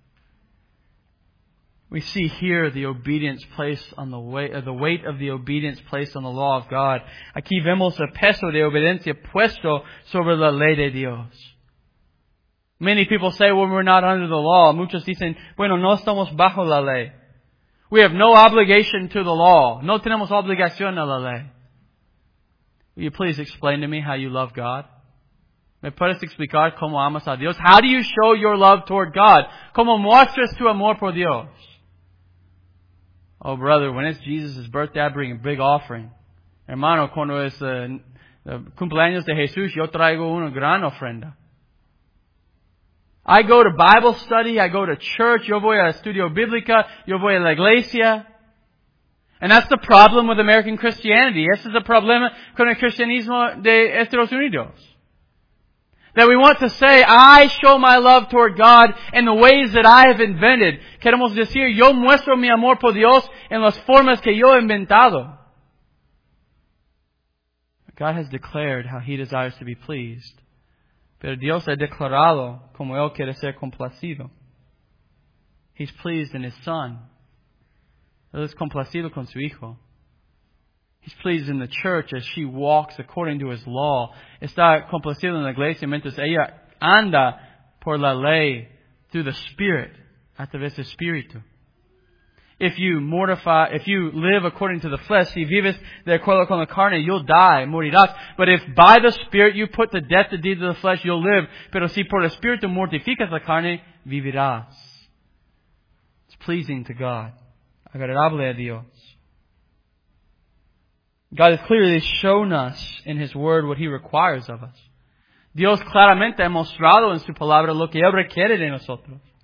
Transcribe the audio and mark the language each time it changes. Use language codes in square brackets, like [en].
[es] Número cuatro. [en] We see here the obedience placed on the weight of the obedience placed on the law of God. [es] Aquí vemos el peso de obediencia puesto sobre la ley de Dios. [en] Many people say, well, we're not under the law. [es] Muchos dicen, bueno, no estamos bajo la ley. [en] We have no obligation to the law. [es] No tenemos obligación a la ley. [en] Will you please explain to me how you love God? [es] ¿Me puedes explicar cómo amas a Dios? [en] How do you show your love toward God? [es] ¿Cómo muestras tu amor por Dios? [en] Oh, brother, when it's Jesus' birthday, I bring a big offering. [es] Hermano, cuando es cumpleaños de Jesús, yo traigo una gran ofrenda. [en] I go to Bible study, I go to church, [es] yo voy a Estudio Biblica, yo voy a la iglesia. [en] And that's the problem with American Christianity. [es] Ese es el problema con el cristianismo de Estados Unidos. [en] That we want to say, I show my love toward God in the ways that I have invented. [es] Queremos decir, yo muestro mi amor por Dios en las formas que yo he inventado. [en] God has declared how He desires to be pleased. [es] Pero Dios ha declarado como Él quiere ser complacido. [en] He's pleased in His Son. [es] Él es complacido con su Hijo. [en] He's pleased in the church as she walks according to His law. [es] Está complacido en la iglesia mientras ella anda por la ley [en] through the Spirit, [es] a través del Espíritu. [en] If you live according to the flesh, [es] si vives de acuerdo con la carne, [en] you'll die, [es] morirás. [en] But if by the Spirit you put to death the deeds of the flesh, you'll live. [es] Pero si por el Espíritu mortificas la carne, vivirás. [en] It's pleasing to God. [es] Agradable a Dios. [en] God has clearly shown us in His Word what He requires of us. [es] Dios claramente ha mostrado en su palabra lo que Él requiere de nosotros.